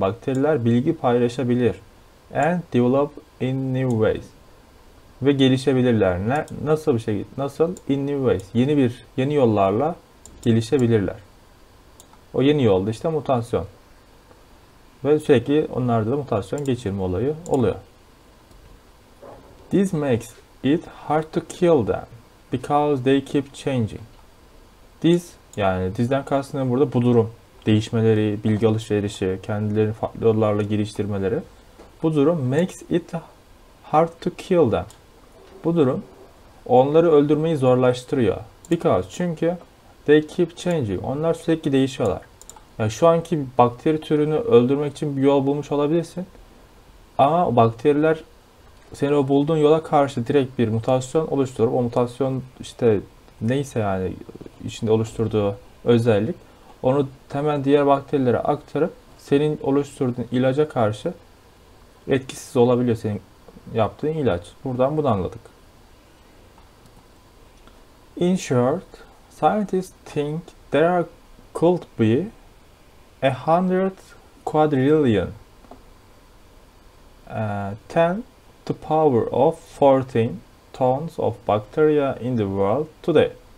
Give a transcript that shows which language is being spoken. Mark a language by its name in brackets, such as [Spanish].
[Turkish] Bakteriler bilgi paylaşabilir [English] and develop in new ways. [Turkish] Ve gelişebilirler. Nasıl bir şey? Nasıl? [English] In new ways. [Turkish] Yeni yollarla gelişebilirler. O yeni yol da işte mutasyon. Ve sürekli onlarda da mutasyon geçirme olayı oluyor. [English] This makes it hard to kill them because they keep changing. This [Turkish] Yani dizden kastım burada bu durum. Değişmeleri, bilgi alışverişi, kendilerini farklı yollarla geliştirmeleri. Bu durum [English] makes it hard to kill them. [Turkish] Bu durum onları öldürmeyi zorlaştırıyor. [English] Because [Turkish] çünkü [English] they keep changing. [Turkish] Onlar sürekli değişiyorlar. Yani şu anki bakteri türünü öldürmek için bir yol bulmuş olabilirsin. Ama bakteriler seni o bulduğun yola karşı direkt bir mutasyon oluşturup o mutasyon işte neyse yani içinde oluşturduğu özellik onu hemen diğer bakterilere aktarıp senin oluşturduğun ilaca karşı etkisiz olabiliyor senin yaptığın ilaç. Buradan bunu anladık. [English] In short, scientists think there could be 100 quadrillion, 10 to power of 14 tons of bacteria in the world today.